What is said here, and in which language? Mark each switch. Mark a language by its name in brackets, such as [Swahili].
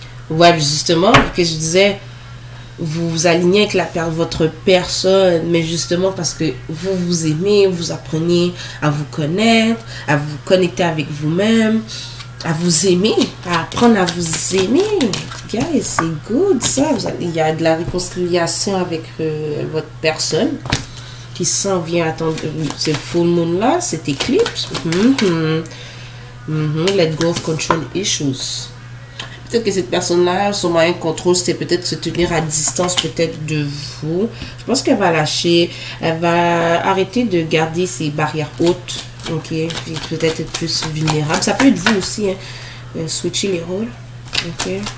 [French] Ouais, justement, qu'est-ce que je disais? Vous vous alignez avec votre personne, mais justement parce que vous vous aimez, vous apprenez à vous connaître, à vous connecter avec vous-même, à vous aimer, à apprendre à vous aimer. Guys, c'est good ça. Il y a de la réconciliation avec votre personne qui s'en vient attendre. Ce full moon là, cette éclipse. [English] Let go of control issues. [French] Peut-être que cette personne-là, son moyen de contrôle, c'était peut-être se tenir à distance peut-être de vous. Je pense qu'elle va lâcher. Elle va arrêter de garder ses barrières hautes. Ok. Puis peut-être être plus vulnérable. Ça peut être vous aussi. Hein. Switcher les rôles. Ok.